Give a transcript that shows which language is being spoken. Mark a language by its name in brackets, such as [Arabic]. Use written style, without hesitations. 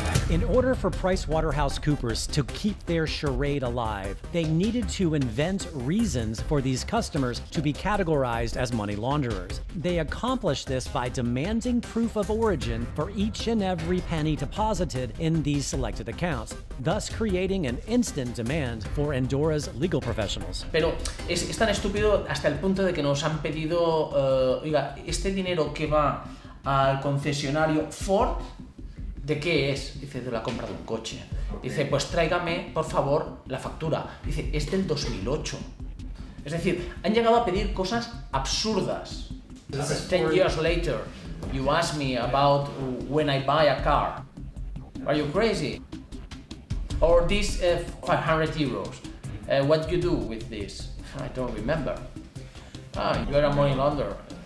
[English] In order for PricewaterhouseCoopers to keep their charade alive, they needed to invent reasons for these customers to be categorized as money launderers. They accomplished this by demanding proof of origin for each and every penny deposited in these selected accounts, thus creating an instant demand for Andorra's legal professionals. [Spanish] Pero es tan estúpido hasta el punto de que nos han pedido, oiga, este dinero que va al concesionario Ford, ¿de qué es? Dice, de la compra de un coche. Okay. Dice, pues tráigame, por favor, la factura. Dice, es del 2008. Es decir, han llegado a pedir cosas absurdas. [English] 10 years later, you ask me about when I buy a car. Are you crazy? Or this 500 euros. What do you do with this? I don't remember. Ah, you are a money launderer.